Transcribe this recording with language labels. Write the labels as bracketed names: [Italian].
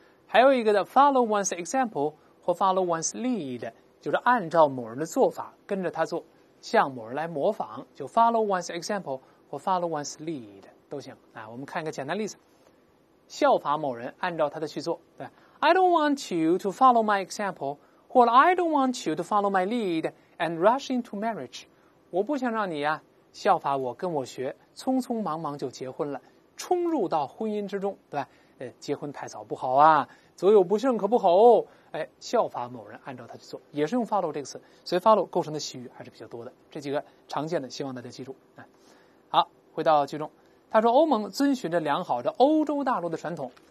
[Chinese] 还有一个的 [English] follow one's example [Chinese] 或 [English] follow one's lead， [Chinese] 就是按照某人的做法跟着他做，向某人来模仿，就 follow one's example 或 follow one's lead 都行。来，我们看一个简单例子，效法某人，按照他的去做。 [English] 对，I don't want you to follow my example, or I don't want you to follow my lead and rush into marriage. [Chinese] 我不想让你啊效法我，跟我学，匆匆忙忙就结婚了，冲入到婚姻之中，对吧？结婚太早不好啊，左右不慎可不好哦。哎，效法某人，按照他去做，也是用 follow 这个词，所以 follow 构成的习语还是比较多的。这几个常见的，希望大家记住。好，回到句中，他说欧盟遵循着良好的欧洲大陆的传统。